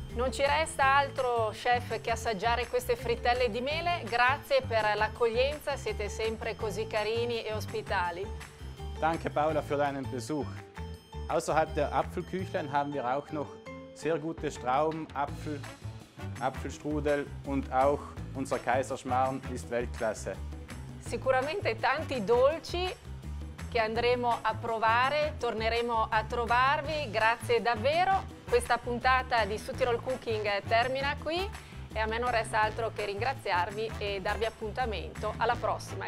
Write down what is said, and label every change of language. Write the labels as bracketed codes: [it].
[it] Ci resta altro, chef, che assaggiare queste frittelle di mele. Grazie per l'accoglienza, siete sempre così carini e ospitali. [de] Danke Paola für deinen Besuch. Außerhalb der Apfelküchlein haben wir auch noch sehr gute Trauben, Apfel, Apfelstrudel und auch unser Kaiserschmarrn ist Weltklasse. [it] Sicuramente tanti dolci che andremo a provare, torneremo a trovarvi. Grazie davvero. Questa puntata di Su Tirol Cooking termina qui e a me non resta altro che ringraziarvi e darvi appuntamento alla prossima.